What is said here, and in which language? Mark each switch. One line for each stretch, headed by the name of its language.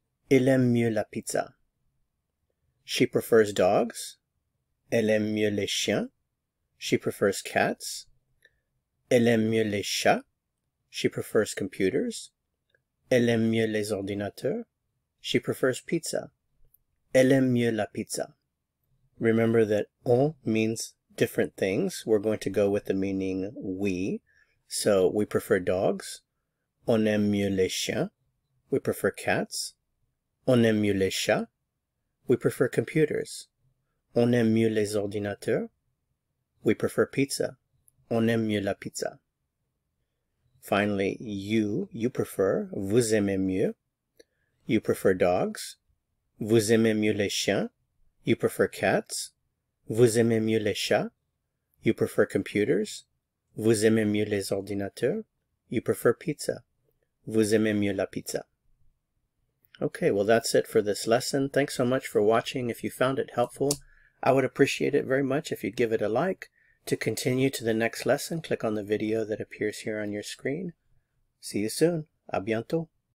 French: Il aime mieux la pizza.
English: She prefers dogs.
French: Elle aime mieux les chiens.
English: She prefers cats.
French: Elle aime mieux les chats.
English: She prefers computers.
French: Elle aime mieux les ordinateurs.
English: She prefers pizza.
French: Elle aime mieux la pizza.
English: Remember that on means different things. We're going to go with the meaning we. So we prefer dogs.
French: On aime mieux les chiens.
English: We prefer cats.
French: On aime mieux les chats.
English: We prefer computers.
French: On aime mieux les ordinateurs.
English: We prefer pizza.
French: On aime mieux la pizza.
English: Finally, you prefer.
French: Vous aimez mieux.
English: You prefer dogs.
French: Vous aimez mieux les chiens.
English: You prefer cats.
French: Vous aimez mieux les chats.
English: You prefer computers.
French: Vous aimez mieux les ordinateurs.
English: You prefer pizza.
French: Vous aimez mieux la pizza.
English: Okay, well, that's it for this lesson. Thanks so much for watching. If you found it helpful, I would appreciate it very much if you'd give it a like. To continue to the next lesson, click on the video that appears here on your screen. See you soon.
French: A bientôt.